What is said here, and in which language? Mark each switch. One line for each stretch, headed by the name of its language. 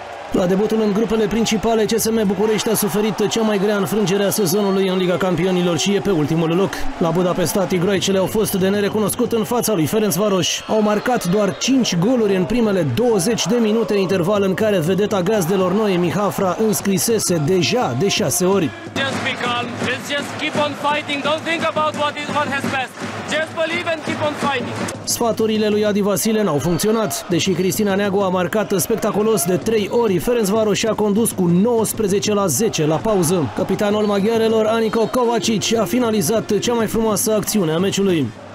Romanian: La debutul în grupele principale, CSM București a suferit cea mai grea înfrângere a sezonului în Liga Campionilor și e pe ultimul loc. La Budapesta, tigroaicele au fost de nerecunoscut în fața lui Ferencváros. Au marcat doar 5 goluri în primele 20 de minute, interval în care vedeta gazdelor noi, Mihafra, înscrisese deja de 6 ori.
English: Just be calm, let's just keep on fighting, don't think about what has passed. Just believe and keep on fighting.
Romanian: Sfaturile lui Adi Vasile n-au funcționat. Deși Cristina Neagu a marcat spectaculos de 3 ori, Ferencváros a condus cu 19-10 la pauză. Capitanul maghiarelor, Anico Kovacic, a finalizat cea mai frumoasă acțiune a meciului.